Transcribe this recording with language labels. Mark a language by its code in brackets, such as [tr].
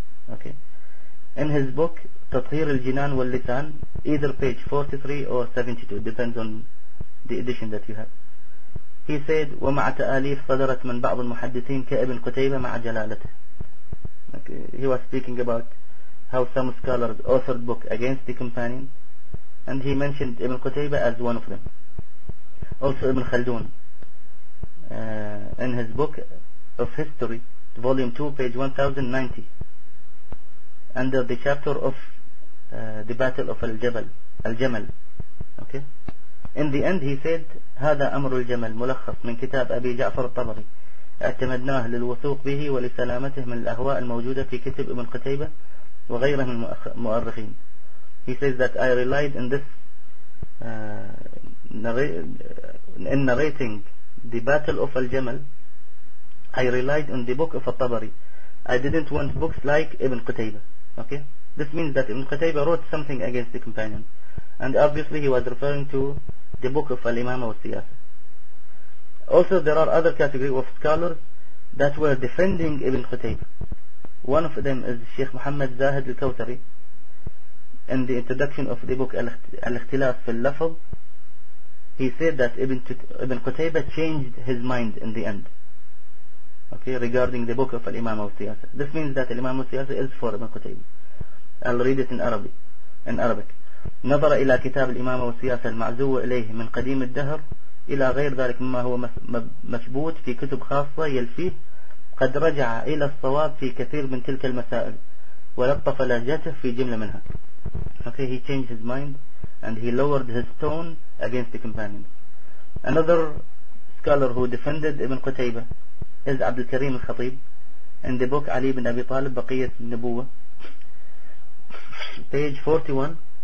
[en] Okay, in his book Tathir al-Jinan wal-Lisan, either page 43 or 72, depends on the edition that you have, he said, [ar] وَمَعَ تَآلِيفْ صَدَرَتْ مَنْ بَعْضُ الْمُحَدِّثِينَ كَأَبْنِ قُتَيْبَةَ مَعَ جَلَالَتِهِ. [en] He was speaking about how some scholars authored book against the companion, and he mentioned Ibn Qutaybah as one of them. Also Ibn Khaldun, in his book of history, volume 2, page 1090, under the chapter of the battle of Al-Jamal, okay, in the end he said, [ar] هذا أمر الجمل ملخص من كتاب أبي جعفر الطبري اعتمدناه للوثوق به ولسلامته من الأهواء الموجودة في كتب ابن قتيبة وغيره من المؤرخين. [en] He says that I relied in this in narrating the battle of Al-Jamal, I relied on the book of al-Tabari. I didn't want books like ابن قتيبة. Okay, this means that ابن قتيبة wrote something against the companion, and obviously he was referring to the book of Al-Imam al-Siyasa. Also there are other categories of scholars that were defending Ibn Qutaybah. One of them is Sheikh Muhammad Zahid al-Kawthari. In the introduction of the book Al-Ikhtilaf fi al-Lafz, he said that Ibn Qutaybah changed his mind in the end. Okay, regarding the book of Al-Imam al-Siyasa. This means that Al-Imam al-Siyasa is for Ibn Qutaybah. I'll read it in Arabic. In Arabic. [ar] نظر إلى كتاب الإمامة والسياسة المعزوة إليه من قديم الدهر إلى غير ذلك مما هو مثبوت في كتب خاصة يلفيه قد رجع إلى الصواب في كثير من تلك المسائل ولطف لهجته في جملة منها. [en] Okay, he changed his mind and he lowered his tone against the companions. Another scholar who defended Ibn Qutaybah is Abdul Karim al-Khatib in the book Ali ibn Abi Talib Baqiyat al-Nubuwa, page 41.